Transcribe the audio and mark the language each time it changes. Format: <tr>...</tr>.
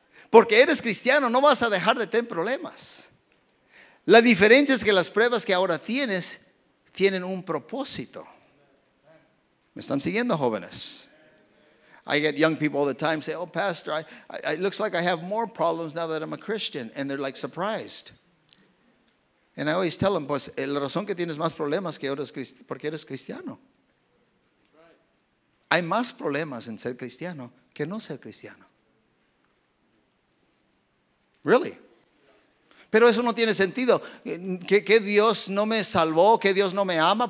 <es>Porque eres cristiano, no vas a dejar de tener problemas. La diferencia es que las pruebas que ahora tienes tienen un propósito. ¿Me están siguiendo, jóvenes?</es> <en>I get young people all the time say, oh, pastor, it looks like I have more problems now that I'm a Christian. And they're like surprised. And I always tell them,</en> <es>pues, la razón que tienes más problemas que ahora es porque eres cristiano. Hay más problemas en ser cristiano que no ser cristiano.</es> <en>Really.</en> <es>Pero eso no tiene sentido. ¿Qué Dios no me salvó? ¿Qué Dios no me ama?</es>